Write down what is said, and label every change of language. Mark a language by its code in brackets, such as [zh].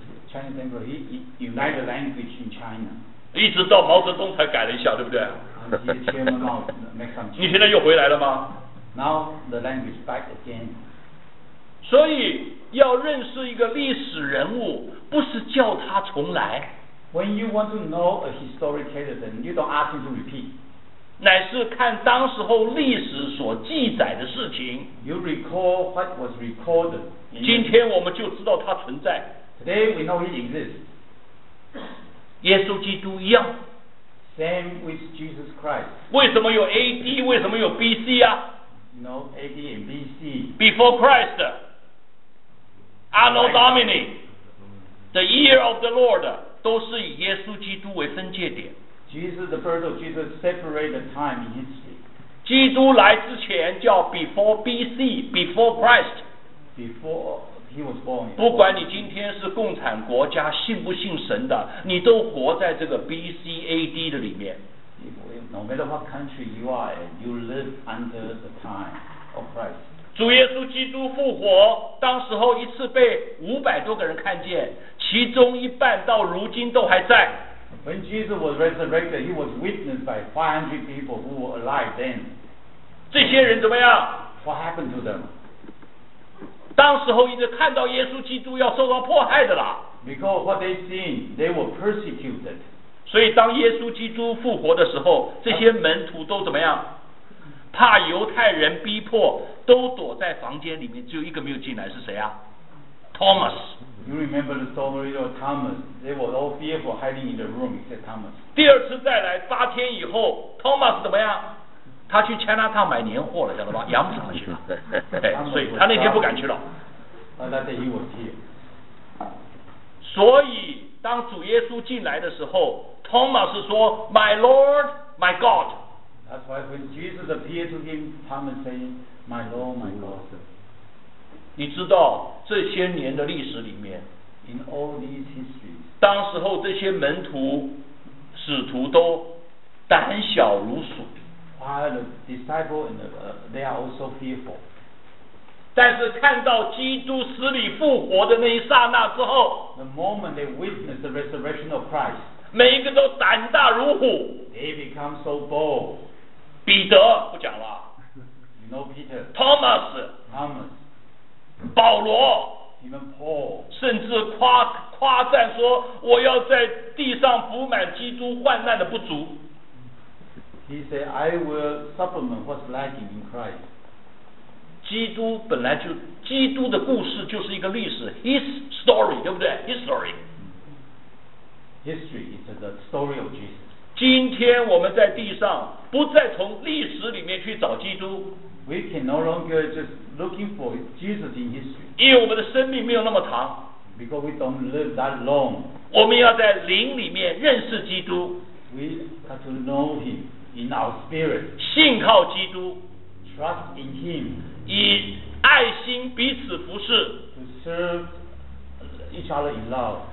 [en] Chinese Emperor, he united the language in China. [zh] 一直到毛泽东才改了一下，对不对？ [en] Chairman, [zh] 你现在又回来了吗？ [en] Now the language back again. [zh] 所以要认识一个历史人物，不是叫他重来。 [en] When you want to know a historic character, you don't ask him to repeat. [zh] 乃是看当时候历史所记载的事情。 [en] You recall what was recorded. [zh] 今天我们就知道他存在。 [en] Today we know he exists. [zh] 耶稣基督一样。 [en] Same with Jesus Christ. [zh] 为什么有 AD？ 为什么有 BC 啊？ [en] No, AD and BC. Before Christ, Anno Domini, the year of the Lord, [zh] 都是以耶稣基督为分界点。 [en] Jesus, the birth of Jesus, separated the time in history. [zh] 基督来之前叫 [en] before BC, before Christ. Before he was born. [zh] 不管你今天是共产国家，信不信神的，你都活在这个 BC AD 的里面。 [en] No matter what country you are, you live under the time of Christ. [zh] 主耶稣基督复活，当时候一次被500多个人看见，其中一半到如今都还在。 [en] When Jesus was resurrected, he was witnessed by 500 people who were alive then. [zh] 这些人怎么样？ [en] What happened to them? [zh] 当时候一直看到耶稣基督要受到迫害的了。 [en] Because what they seen, they were persecuted. [zh] 所以当耶稣基督复活的时候，这些门徒都怎么样？怕犹太人逼迫，都躲在房间里面，只有一个没有进来，是谁啊？ [en] Thomas. You remember the story of Thomas? They were all fearful hiding in the room except Thomas. [zh] 第二次再来八天以后， Thomas 怎么样？他去加拿大买年货了，晓得吧？羊场去了。对，所以他那天不敢去了。那天 [en] he was here. [zh] 所以当主耶稣进来的时候， Thomas 说 [en] My Lord, My God. That's why when Jesus appeared to him, Thomas said, My Lord, My God. [zh] 你知道这些年的历史里面 [en] in all these histories, [zh] 当时候这些门徒使徒都胆小如鼠 [en] while the disciples and the, they are also fearful, [zh] 但是看到基督死里复活的那一刹那之后 [en] the moment they witness the resurrection of Christ, [zh] 每一个都胆大如虎 [en] they become so bold, [zh] 彼得不讲了 [en] No, Peter. [zh] Thomas. 保罗 [en] Even Paul. [zh] 甚至夸赞说我要在地上补满基督患难的不足 [en] He said, I will supplement what's lacking in Christ. [zh] 基督本来就基督的故事就是一个历史 [en] His story, [zh] 对不对 History. [en] History is the story of Jesus. [zh] 今天我们在地上不再从历史里面去找基督 [en] We can no longer just looking for Jesus in history. [zh] 因为我们的生命没有那么长 [en] Because we don't live that long. [zh] 我们要在灵里面认识基督 [en] We have to know him in our spirit. [zh] 信靠基督 [en] Trust in him. [zh] 以爱心彼此服侍 [en] To serve each other in love.